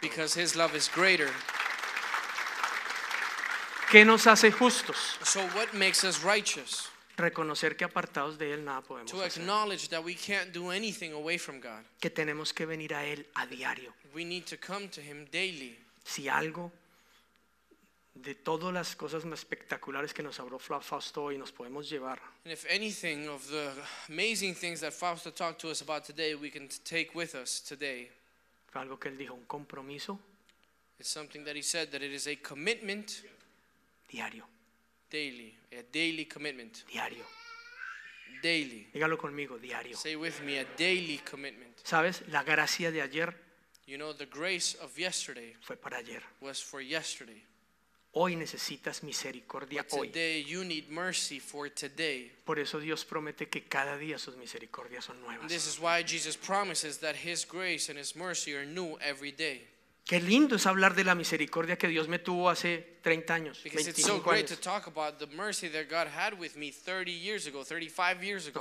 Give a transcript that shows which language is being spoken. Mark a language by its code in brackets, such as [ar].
[en] Because his love is greater. [es] ¿Qué nos hace justos? [en] So what makes us righteous? [es] Reconocer que apartados de él nada podemos [en] hacer. To acknowledge that we can't do anything away from God. [es] Que tenemos que venir a él a diario. [en] We need to come to him daily. [es] Si algo de todas las cosas más espectaculares que nos habló Fausto hoy nos podemos llevar. [en] And if anything of the amazing things that Fausto talked to us about today we can take with us today. [es] Fue algo que él dijo, un compromiso. [en] It's something that he said that it is a commitment. [es] Diario. [en] Daily, a daily commitment. [es] Diario. [en] Daily. [es] Dígalo conmigo, diario. [en] Say with me, a daily commitment. [es] ¿Sabes? La gracia de ayer. [en] You know, the grace of yesterday. [es] Fue para ayer. [en] Was for yesterday. [es] Hoy necesitas misericordia [en] today, [es] hoy. [en] Today you need mercy for today. [es] Por eso Dios promete que cada día sus misericordias son nuevas. [en] This is why Jesus promises that his grace and his mercy are new every day. [es] Qué lindo es hablar de la misericordia que Dios me tuvo hace 30 años. [en] Because it's so great to talk about the mercy that God had with me 30 years ago, 35 years ago.